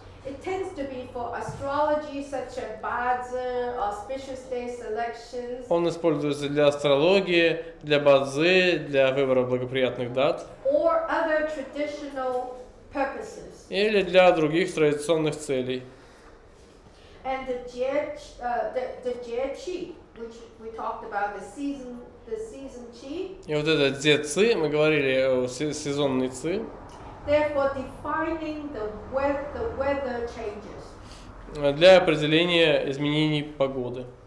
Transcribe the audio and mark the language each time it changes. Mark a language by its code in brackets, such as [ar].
[en] It tends to be for astrology such as бадзи, auspicious day selections. [ru] Он используется для астрологии, для бадзи, для выбора благоприятных дат. [en] Or other traditional purposes. [ru] Или для других традиционных целей. [en] And the jie qi, which we talked about, the season qi. [ru] И вот это дзе ци, мы говорили о сезонной ци. [en] Therefore, defining the weather changes. [ru] Для определения изменений погоды.